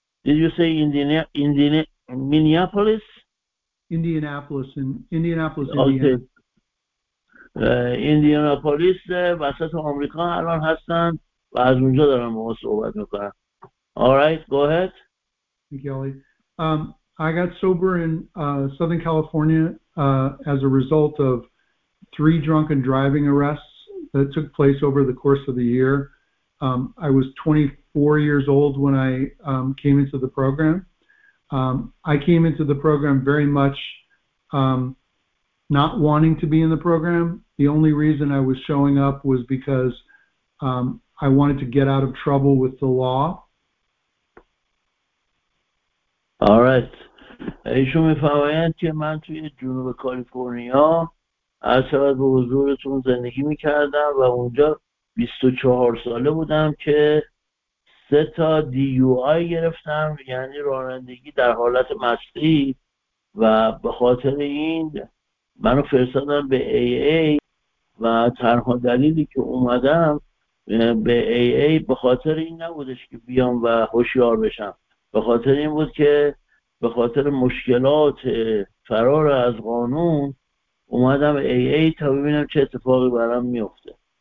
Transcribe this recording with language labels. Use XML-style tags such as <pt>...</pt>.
<en>Indianapolis, Indiana.</en> <fa>Indianapolis, وسط آمریکا الان هستن و از اونجا دارم باهات صحبت میکنم.</fa> <en>All right, go ahead. Thank you, Ali. I got sober in Southern California as a result of three drunken driving arrests that took place over the course of the year. I was 24 years old when I came into the program. I came into the program very much not wanting to be in the program. The only reason I was showing up was because I wanted to get out of trouble with the law. All right.</en> <fa>ایشون میفرمایند که من توی جنوب کالیفرنیا اصلا به حضورتون زندگی میکردم و اونجا 24 ساله بودم که 3 DUI گرفتم، یعنی رانندگی در حالت مستی، و به خاطر این منو فرستادن به AA و تنها دلیلی که اومدم به AA به خاطر این نبودش که بیام و هوشیار بشم، به خاطر این بود که به خاطر مشکلات فرار از قانون اومدم AA تا ببینم چه اتفاقی برام میفته.</fa>